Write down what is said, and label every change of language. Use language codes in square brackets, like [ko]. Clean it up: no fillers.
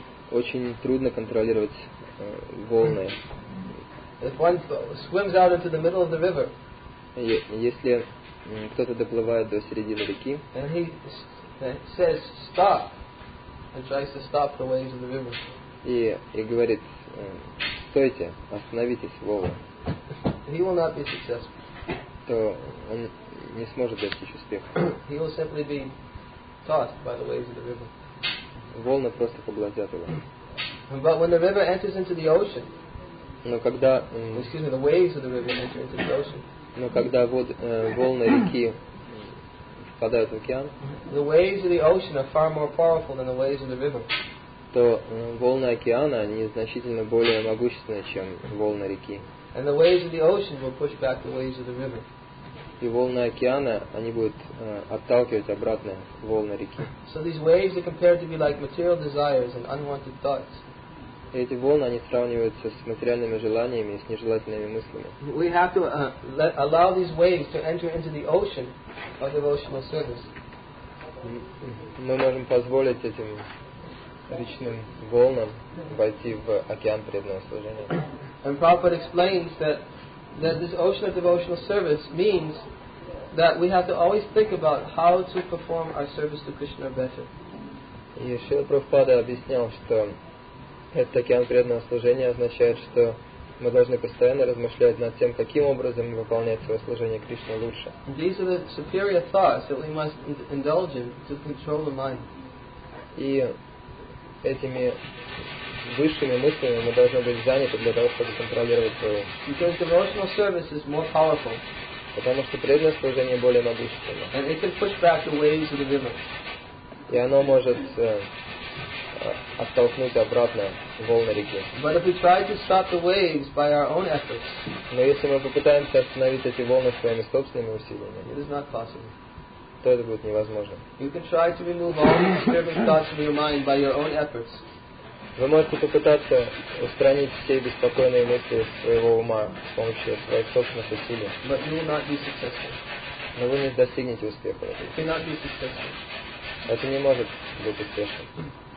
[ru] Очень трудно контролировать волны. [en] If one swims out into the middle of the river, [ru] если кто-то доплывает до середины реки, [en] and he says stop, and tries to stop the waves of the river, [ru] и говорит, стойте, остановитесь, волны, [en] he will not be successful. [ru] То он не сможет достичь успеха. [en] He will simply be tossed by the waves of the river. [ru] Волны просто поглотят его. [en] But when the river enters into the ocean, the waves of the river enter into the ocean. [ru] Но когда волны реки впадают в океан, [en] the waves of the ocean are far more powerful than the waves of the river. [ru] То волны океана они значительно более могущественны, чем волны реки. [en] And the waves of the ocean will push back the waves of the river. [ru] И волны океана, они будут отталкивать обратно волны реки. [en] So these waves are compared to be like material desires and unwanted thoughts. [ru] И эти волны, они сравниваются с материальными желаниями и с нежелательными мыслями. [en] We have to allow these waves to enter into the ocean of devotional service. [ru] Мы можем позволить этим речным волнам войти в океан преданного служения. [en] And Prabhupada explains that this ocean of devotional service means that we have to always think about how to perform our service to Krishna better. [ru] И Шрила Прабхупада объяснял, что этот океан преданного служения означает, что мы должны постоянно размышлять над тем, каким образом выполнять свое служение Кришне лучше. [en] These are the superior thoughts that we must indulge in to control the mind. [ru] И этими высшими мыслями мы должны быть заняты для того, чтобы контролировать свое. [en] Because devotional service is more powerful. [ru] Потому что преданное служение более могущественно. [en] And it can push back the waves of the river. [ru] И оно может оттолкнуть обратно волны реки. [en] But if we try to stop the waves by our own efforts, [ru] но если мы попытаемся остановить эти волны своими собственными усилиями, [en] it is not possible. [ru] То это будет невозможно. [en] You can try to remove all the disturbing thoughts from your mind by your own efforts. [ru] Вы можете попытаться устранить все беспокойные мысли своего ума с помощью своих собственных усилий. [en] But you will not be successful. [ru] Но вы не достигнете успеха. [en] You cannot be successful. [ru] Это не может быть успешным.